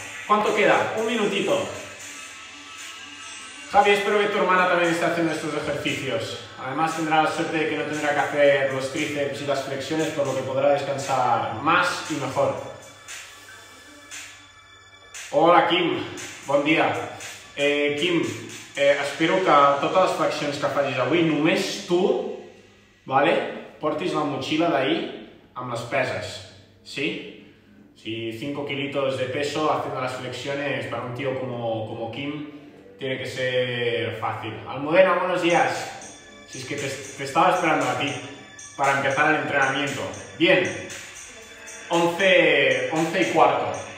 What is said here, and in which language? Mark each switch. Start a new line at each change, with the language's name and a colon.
Spanish: ¿Cuánto queda? Un minutito. Javi, espero que tu hermana también esté haciendo estos ejercicios. Además, tendrá la suerte de que no tendrá que hacer los tríceps y las flexiones, por lo que podrá descansar más y mejor.
Catalan: Hola, Kim. Bon dia. Kim, espero que totes les flexions que facis avui, només tu, vale, portis la motxilla d'ahir amb les peses, sí?
Spanish: Si 5 kilitos de peso haciendo las flexiones para un tío como Kim, tiene que ser fácil. Almudena, buenos días. Si es que te estaba esperando a ti para empezar el entrenamiento. Bien, 11:15.